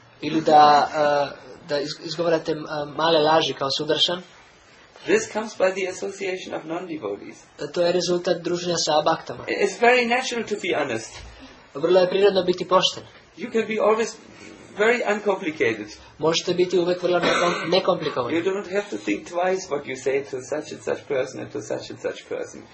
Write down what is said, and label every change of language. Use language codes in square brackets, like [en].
[sr] Ili da da izgovarate male laži kao Sudarshan? [en] This comes by the association of non-devotees. [sr] To je rezultat druženja sa abaktama. [en] It's very natural to be honest. [sr] Vrlo je prirodno biti pošten. [en] You can be always very uncomplicated. [sr] Možete biti uvek vrlo nekomplikovani. [en] You don't have to think twice what you say to such and such person and to such and such person.